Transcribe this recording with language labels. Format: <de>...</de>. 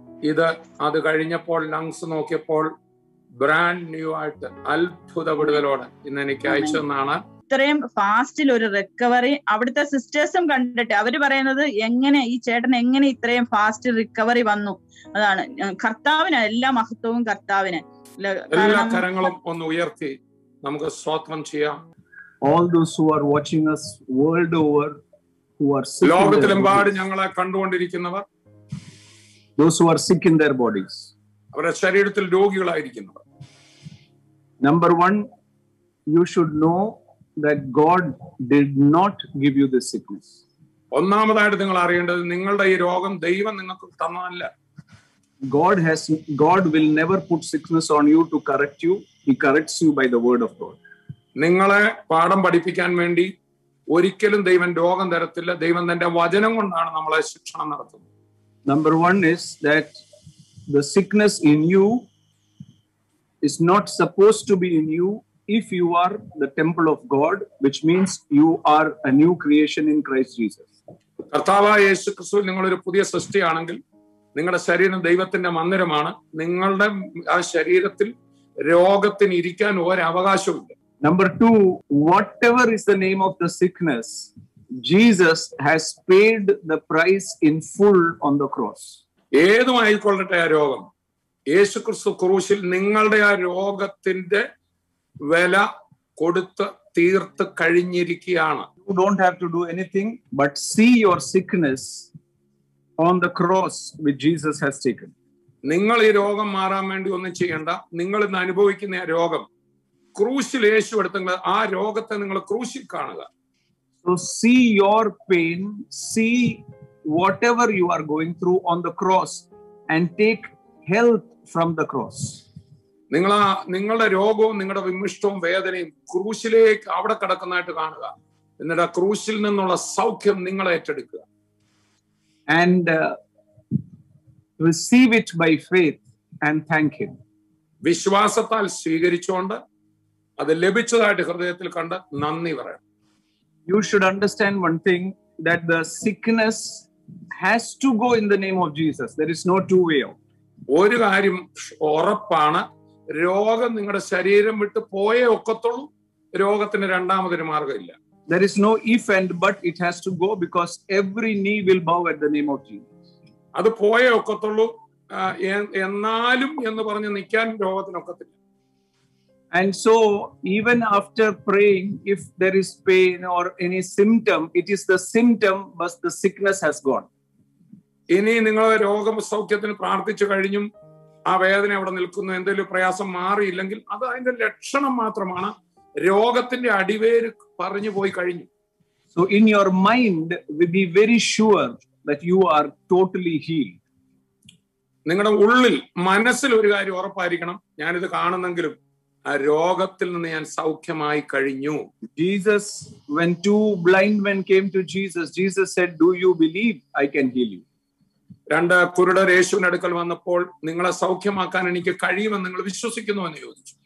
<ml>ഇത് അത് കഴിഞ്ഞപ്പോൾ ലങ്സ് നോക്കിയപ്പോൾ ബ്രാൻഡ് ന്യൂ ആയിട്ട് അത്ഭുത വിടുതലോടെ ഇന്ന് എനിക്ക് അയച്ചു തന്നാണ്. ഇത്രയും ഫാസ്റ്റിൽ ഒരു റിക്കവറി അവിടുത്തെ സിസ്റ്റേഴ്സും കണ്ടിട്ട് അവര് പറയുന്നത് എങ്ങനെ ഈ ചേട്ടൻ എങ്ങനെ ഇത്രയും ഫാസ്റ്റ് റിക്കവറി വന്നു. അതാണ് കർത്താവിന് എല്ലാ മഹത്വവും. കർത്താവിന് എല്ലാ കരങ്ങളും ഒന്ന് ഉയർത്തി നമുക്ക് സ്വാഗതം ചെയ്യാം.</ml> <en>All those who are watching us world over, who are sick,</en> <ml>ലോകത്തിലെമ്പാട് ഞങ്ങളെ കണ്ടുകൊണ്ടിരിക്കുന്നവർ,</ml> <en>those who are sick in their bodies,</en> <ml>അവരുടെ ശരീരത്തിൽ രോഗികളായിരിക്കുന്നവർ,</ml> <en>number 1 you should know that God did not give you this sickness.</en> <ml>ഒന്നാമതായിട്ട് നിങ്ങൾ അറിയേണ്ടത് നിങ്ങളുടെ ഈ രോഗം ദൈവം നിങ്ങൾക്ക് തന്നതല്ല.</ml> <en>God will never put sickness on you to correct you. He corrects you by the word of God.</en> <ml>നിങ്ങളെ പാഠം പഠിപ്പിക്കാൻ വേണ്ടി ഒരിക്കലും ദൈവം രോഗം തരത്തില്ല. ദൈവം തന്റെ വചനം കൊണ്ടാണ് നമ്മളെ ശിക്ഷണം നടത്തുന്നത്.</ml> <en>Number 1 is that the sickness in you is not supposed to be in you if you are the temple of God, which means you are a new creation in Christ Jesus.</en> <ml>കർത്താവായ യേശുക്രിസ്തു നിങ്ങൾ ഒരു പുതിയ സൃഷ്ടിയാണെങ്കിൽ നിങ്ങളുടെ ശരീരം ദൈവത്തിന്റെ മന്ദിരമാണ്. നിങ്ങളുടെ ആ ശരീരത്തിൽ രോഗത്തിന് ഇരിക്കാൻ ഒരവകാശമില്ല.</ml> <en>Number 2, whatever is the name of the sickness, Jesus has paid the price in full on the cross.</en> <ml>ഏതും ആയിക്കൊള്ളട്ടെ ആ രോഗം, യേശുക്രിസ്തു ക്രൂശിൽ നിങ്ങളുടെ ആ രോഗത്തിന്റെ വില കൊടുത്ത് തീർത്ത് കഴിഞ്ഞിരിക്കുകയാണ്.</ml> <en>You don't have to do anything but see your sickness on the cross which Jesus has taken.</en> <ml>നിങ്ങൾ ഈ രോഗം മാറാൻ വേണ്ടി ഒന്നും ചെയ്യണ്ട. നിങ്ങൾ ഇന്ന് അനുഭവിക്കുന്ന ആ രോഗം ക്രൂശിൽ യേശു എടുത്തെങ്കിൽ ആ രോഗത്തെ നിങ്ങൾ ക്രൂശിൽ കാണുക.</ml> <en>So see your pain, see whatever you are going through on the cross and take health from the cross.</en> <ml>നിങ്ങൾ ആ നിങ്ങളുടെ രോഗവും നിങ്ങളുടെ വിമുഷ്ടവും വേദനയും ക്രൂശിലേക്ക് അവിടെ കിടക്കുന്നതായിട്ട് കാണുക. എന്നിട്ട് ആ ക്രൂശിൽ നിന്നുള്ള സൗഖ്യം നിങ്ങൾ ഏറ്റെടുക്കുക.</ml> <en>And receive it by faith and thank him.</en> <ml>വിശ്വാസത്താൽ സ്വീകരിച്ചുകൊണ്ട് അത് ലഭിച്ചതായിട്ട് ഹൃദയത്തിൽ കണ്ട് നന്ദി പറയാം.</ml> <en>You should understand one thing that the sickness has to go in the name of Jesus. There is no two way out.</en> <ml>ഒരു കാര്യം ഉറപ്പാണ്, രോഗം നിങ്ങളുടെ ശരീരം വിട്ട് പോയേ ഒക്കത്തുള്ളൂ. രോഗത്തിന് രണ്ടാമതൊരു മാർഗമില്ല.</ml> <en>There is no if and but, it has to go because every knee will bow at the name of Jesus.</en> <ml>അത് പോയേ ഒക്കത്തുള്ളൂ. എന്നാലും എന്ന് പറഞ്ഞ് നിൽക്കാൻ രോഗത്തിനൊക്കത്തില്ല.</ml> <en>And so even after praying, if there is pain or any symptom, it is the symptom but the sickness has gone.</en> <ml>ഇനി നിങ്ങൾ രോഗം സൗഖ്യത്തിന് പ്രാർത്ഥിച്ചു കഴിഞ്ഞു, ആ വേദന അവിടെ നിൽക്കുന്നു, എന്തെങ്കിലും പ്രയാസം മാറിയില്ലെങ്കിൽ അത് അതിന്റെ ലക്ഷണം മാത്രമാണ്. രോഗത്തിന്റെ അടിവേര് പറഞ്ഞു പോയി കഴിഞ്ഞു.</ml> <en>So in your mind we be very sure that you are totally healed.</en> <ml>നിങ്ങളുടെ ഉള്ളിൽ മനസ്സിൽ ഒരു കാര്യം ഉറപ്പായിരിക്കണം, ഞാൻ ഇത് കാണുന്നെങ്കിലും ആ രോഗത്തിൽ നിന്ന് ഞാൻ സൗഖ്യമായി കഴിഞ്ഞു.</ml> <en>Jesus when two blind men came to Jesus, Jesus said, do you believe I can heal you?</en> <ml>രണ്ട് കുരുടർ യേശുവിന്റെ അടുക്കൽ വന്നപ്പോൾ നിങ്ങളെ സൗഖ്യമാക്കാൻ എനിക്ക് കഴിയുമെന്ന് നിങ്ങൾ വിശ്വസിക്കുന്നു എന്ന് ചോദിച്ചു.</ml>